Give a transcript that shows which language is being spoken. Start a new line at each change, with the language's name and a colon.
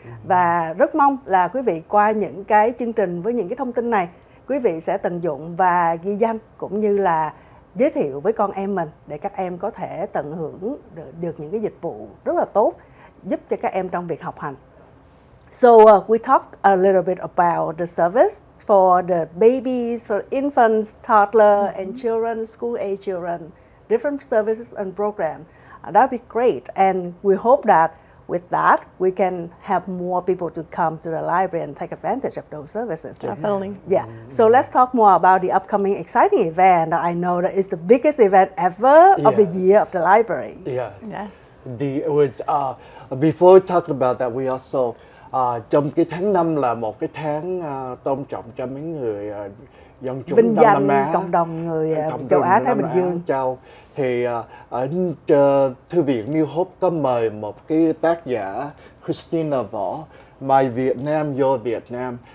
Vietnamese: Và rất mong là quý vị qua những cái chương trình với những cái thông tin này, quý vị sẽ tận dụng và ghi danh cũng như là giới thiệu với con em mình để các em có thể tận hưởng được những cái dịch vụ rất là tốt giúp cho các em trong việc học hành.
English: So we talk a little bit about the service for the babies, for infants, toddler and children, school age children. Different services and program, that would be great. And we hope that with that, we can have more people to come to the library and take advantage of those services. Definitely. Yeah. So let's talk more about the upcoming exciting event that I know that is the biggest event ever of the year of the library. Yes. Before we talk about that, we also,
Vietnamese: trong cái tháng 5 là một cái tháng tôn trọng cho mấy người dân chúng Vinh danh Nam Á, cộng đồng người châu Á Thái Bình Dương. Châu. Thì ở thư viện New Hope có mời một cái tác giả Christina Võ, My Vietnam, Your Vietnam.